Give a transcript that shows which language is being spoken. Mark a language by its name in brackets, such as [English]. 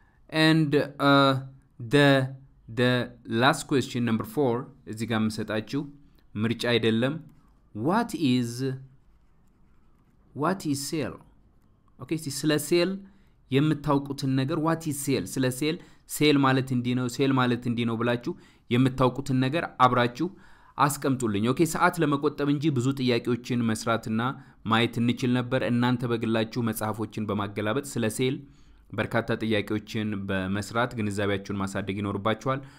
[English] And the last question, number 4, [Amharic] እዚ ጋር መሰጣችሁ ምርጫ አይደለም. [English] What is cell? Okay, see, [Amharic] ስለ cell የምታውቁትን ነገር, [English] what is cell? [Amharic] ስለ cell ማለት እንዲህ ነው ብላችሁ የምታውቁትን ነገር አብራችሁ አስቀምጡልኝ. ኦኬ, ሰዓት ለመቆጠብ እንጂ ብዙ ጥያቄዎችን መስራትና ማየት እንችል ነበር. እናንተ በግላችሁ መጽሐፎችን በማገላበጥ ስለ cell በርካታ ጥያቄዎችን በመስራት ግንዛቤያችሁን ማሳደግ ይኖርባችኋል.